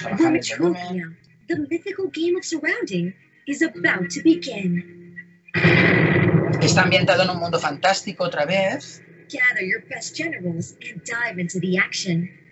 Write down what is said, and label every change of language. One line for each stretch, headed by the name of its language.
English: Metropia, the mythical game of surrounding, is about to begin.
Spanish: Está ambientado en un mundo fantástico otra vez.
English: Gather your best generals and dive into the action.